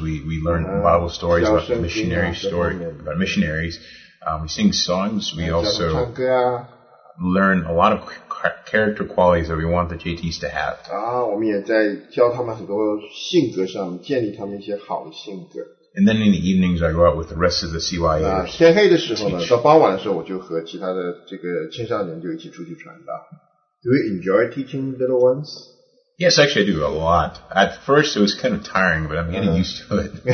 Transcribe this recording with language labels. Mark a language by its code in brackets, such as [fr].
[en] We learn Bible stories about missionary story about missionaries. We sing songs. We also. Learn a lot of character qualities that we want the JTs to have. [zh] 啊，我们也在教他们很多性格上，建立他们一些好的性格。 [en] And then in the evenings, I go out with the rest of the CYA. [zh] 啊，天黑的时候呢，到傍晚的时候，我就和其他的这个青少年就一起出去传道。 [en] Do you enjoy teaching little ones? Yes, actually, I do a lot. At first, it was kind of tiring, but I'm getting used to it.